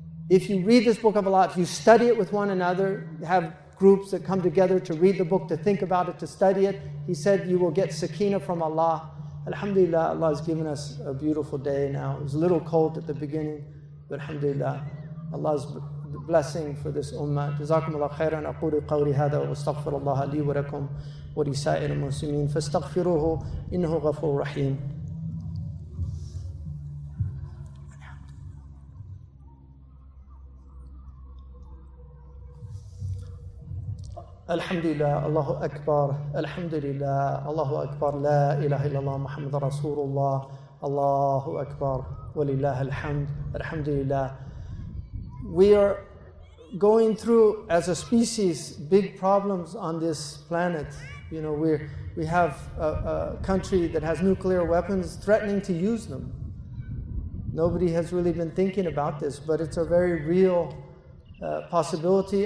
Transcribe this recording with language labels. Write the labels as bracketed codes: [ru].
[en] If you read this book of Allah, if you study it with one another, have groups that come together to read the book, to think about it, to study it, he said you will get sakina from Allah. Alhamdulillah, Allah has given us a beautiful day now. It was a little cold at the beginning, but alhamdulillah, Allah's blessing for this ummah. [ar] جزاكم الله خيرا أقول قولي هذا واستغفر الله لي ولكم ولسائر المسلمين فاستغفروه إنه غفور رحيم. الحمد لله الله أكبر الحمد لله الله أكبر لا إله إلا الله محمد رسول الله الله أكبر ولله الحمد الحمد لله. [en] We are going through, as a species, big problems on this planet. You know, we have a country that has nuclear weapons threatening to use them. Nobody has really been thinking about this, but it's a very real possibility.